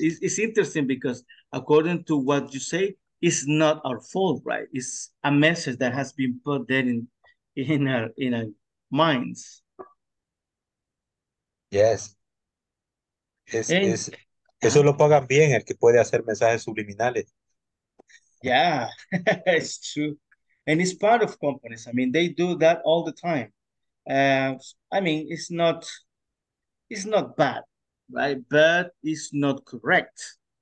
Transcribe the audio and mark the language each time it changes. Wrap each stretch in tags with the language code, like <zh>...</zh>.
<en>It's interesting because according to what you say, it's not our fault, right? It's a message that has been put there in our minds. Yes.</en> <es>Eso lo pagan bien el que puede hacer mensajes subliminales.</es> <en>Yeah, it's true, and it's part of companies. I mean, they do that all the time. I mean, it's not bad, right? But it's not correct.</en>